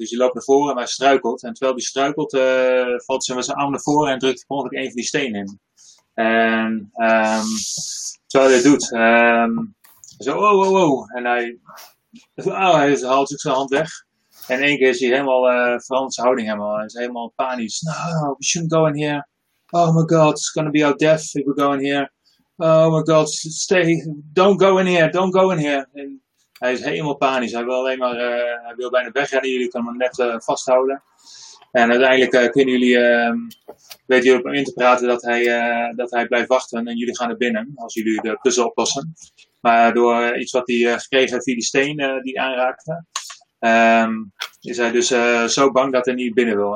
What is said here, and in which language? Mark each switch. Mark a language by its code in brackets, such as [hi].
[nl] Dus je loopt naar voren en hij struikelt. En terwijl hij struikelt, valt ze met zijn arm naar voren en drukt mogelijk een van die stenen in. En terwijl hij dat doet, zo, wow. En hij haalt zich zijn hand weg. En in één keer is hij helemaal, verandert zijn houding helemaal. Hij is helemaal panisch. [en] No, we shouldn't go in here. Oh my god, it's gonna be our death if we go in here. Oh my god, stay. Don't go in here. [nl] Hij is helemaal panisch. Hij wil alleen maar, hij wil bijna wegrennen. Jullie kunnen hem net vasthouden. En uiteindelijk kunnen jullie, weten jullie op hem in te praten dat hij blijft wachten. En jullie gaan er binnen, als jullie de puzzel oplossen. Maar door iets wat hij gekregen heeft via die steen die hij aanraakte, is hij dus zo bang dat hij niet binnen wil.